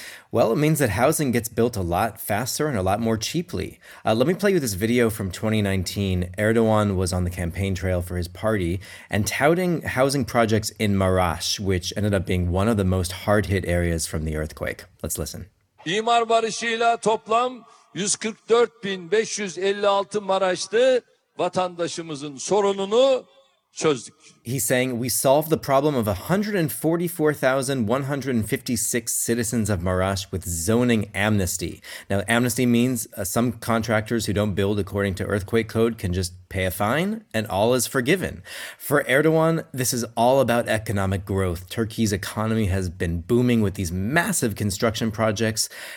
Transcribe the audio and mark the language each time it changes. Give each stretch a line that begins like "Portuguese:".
English: Well, it means that housing gets built a lot faster and a lot more cheaply. Let me play you this video from 2019. Erdogan was on the campaign trail for his party and touting housing projects in Marash, which ended up being one of the most hard-hit areas from the earthquake. Let's listen.
Turkish: İmar barışıyla toplam 144,556 Maraşlı vatandaşımızın sorununu çözdük.
English: He's saying, we solved the problem of 144,156 citizens of Marash with zoning amnesty. Now, amnesty means some contractors who don't build according to earthquake code can just pay a fine and all is forgiven. For Erdogan, this is all about economic growth. Turkey's economy has been booming with these massive construction projects.